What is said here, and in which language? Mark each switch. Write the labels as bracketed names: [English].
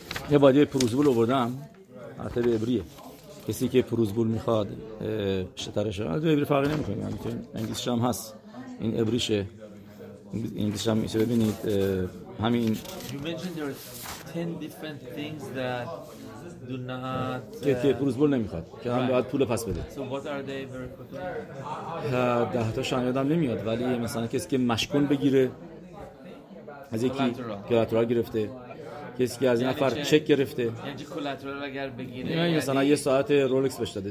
[Persian] یه باید یه پروزبول آوردم عطب عبریه کسی که پروزبول میخواد شطرش رو عطب عبری فرقی نمی کنیم انگلیسی هم هست این عبریشه انگلیسی هم میشه ببینید همین [English] You mentioned there are 10 different things that do not [Persian] که پروزبول نمیخواد که هم باید پول پس بده [English] So what are they very quickly? [Persian] ده تا شان یادم نمیاد ولی مثلا کسی که مشکون بگیره از یکی کلاترال گرفته کسی که از این نفر چک گرفته یعنی چه کلاترال اگر بگیره یعنی مثلا یه ساعت رولکس بهش داده